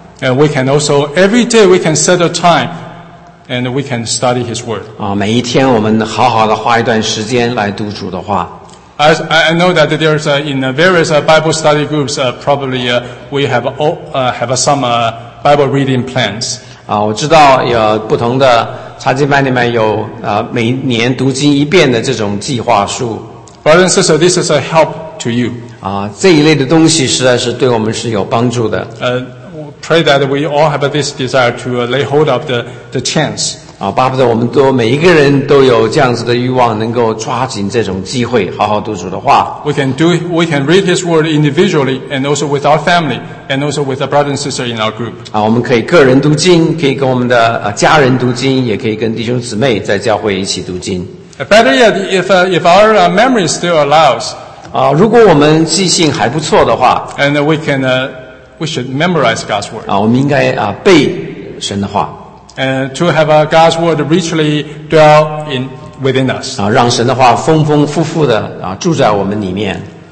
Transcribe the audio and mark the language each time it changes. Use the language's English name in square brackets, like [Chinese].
[English] And we can also every day we can set a time and we can study His word. [Chinese] 每一天我们好好的花一段时间来读主的话。 [English] I know that there's in various Bible study groups probably we have all have some Bible reading plans. [Chinese] 我知道有不同的查经班里面有每年读经一遍的这种计划书。 [English] Brothers and sisters, this is a help to you. [Chinese] 这一类的东西实在是对我们是有帮助的。 [English] Pray that we all have this desire to lay hold of the chance. [Chinese] 巴不得我们都每一个人都有这样子的欲望，能够抓紧这种机会，好好读主的话。 [English] We can read His word individually, and also with our family, and also with the brother and sister in our group. [Chinese] 我们可以个人读经，可以跟我们的家人读经，也可以跟弟兄姊妹在教会一起读经。 [English] Better yet, if our memory still allows, [Chinese] 如果我们记性还不错的话 [English] ，and we should memorize God's word. [Chinese] 我们应该背神的话 [English] ，and to have God's word richly dwell in within us. [Chinese] 让神的话丰丰富富的住在我们里面。